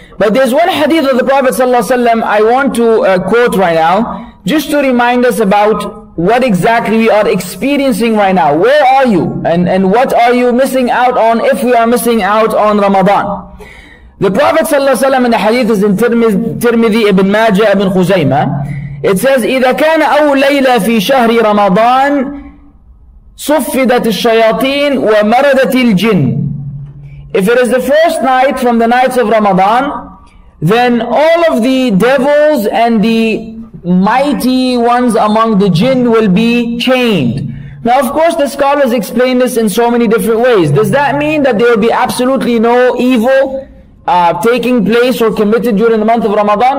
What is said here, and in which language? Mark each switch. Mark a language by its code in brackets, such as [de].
[en] But there's one hadith of the Prophet ﷺ I want to quote right now, just to remind us about what exactly we are experiencing right now. Where are you? And what are you missing out on if we are missing out on Ramadan? The Prophet ﷺ in the hadith is in Tirmidhi ibn Majah ibn Khuzaymah. It says, [ar] إِذَا كَانَ أَوْ لَيْلَ فِي شَهْرِ رَمَضَانِ صُفِّدَتْ الشَّيَاطِينَ وَمَرَدَتِ الْجِنِ. [en] If it is the first night from the nights of Ramadan, then all of the devils and the mighty ones among the jinn will be chained. Now of course the scholars explain this in so many different ways. Does that mean that there will be absolutely no evil taking place or committed during the month of Ramadan?